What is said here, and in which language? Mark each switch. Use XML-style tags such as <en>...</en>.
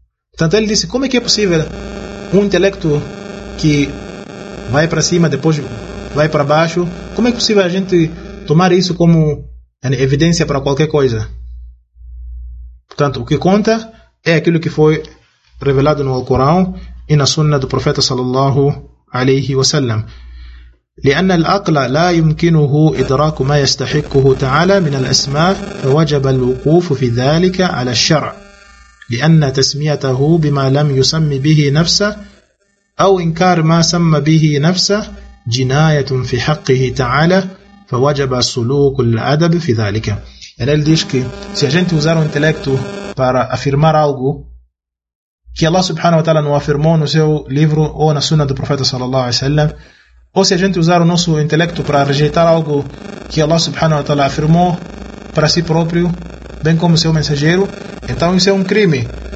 <pt>Portanto, ele disse, como é que é possível um intelecto que vai para cima, depois vai para baixo, como é possível a gente tomar isso como evidência para qualquer coisa? Portanto, o que conta é aquilo que foi revelado no Alcorão e na Sunna do profeta sallallahu alaihi wasallam.</pt> <ar>لأن الأقل لا يمكنه إدراك ما يستحقه تعالى من الأسماء فوجب الوقوف في ذلك على الشرع لأن تسميته بما لم يسم به نفسه أو إنكار ما سم به نفسه جناية في حقه تعالى فوجب سلوك الأدب في ذلك.</ar> <pt>يعني ele diz que se a gente usar o intelecto para afirmar algo que Allah subhanahu wa ta'ala não afirmou no seu livro ou na sunna do profeta sallallahu alaihi wasallam, ou se a gente usar o nosso intelecto para rejeitar algo que Allah subhanahu wa ta'ala afirmou para si próprio, bem como seu mensageiro, então isso é um crime.</pt>